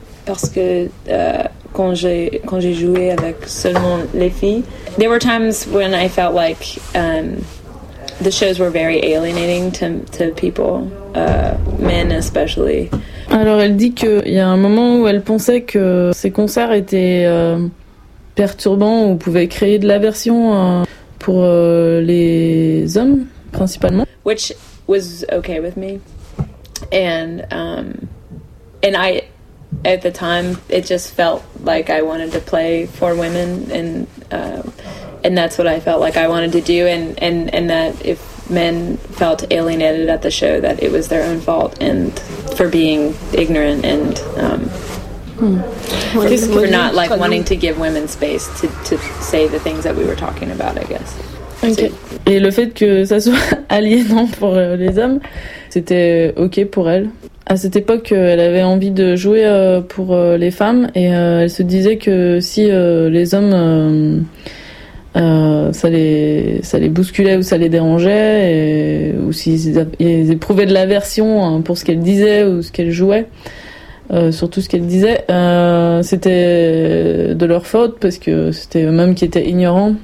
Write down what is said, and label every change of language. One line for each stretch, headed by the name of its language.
French: Parce que quand j'ai joué avec seulement les filles,
English: there were times when I felt like the shows were very alienating to people, men especially.
French: Alors elle dit que il y a un moment où elle pensait que ces concerts étaient perturbants ou pouvaient créer de l'aversion pour les hommes principalement.
English: Which was okay with me, and I. At the time, it just felt like I wanted to play for women, and that's what I felt like I wanted to do, and that if men felt alienated at the show, that it was their own fault and for being ignorant and for not like wanting to give women space to say the things that we were talking about, I guess. Okay.
French: Et le fait que ça soit aliénant pour les hommes, c'était ok pour elle. À cette époque, elle avait envie de jouer pour les femmes et elle se disait que si les hommes, ça les bousculait ou ça les dérangeait, ou s'ils éprouvaient de l'aversion pour ce qu'elle disait ou ce qu'elle jouait, surtout ce qu'elle disait, c'était de leur faute parce que c'était eux-mêmes qui étaient ignorants.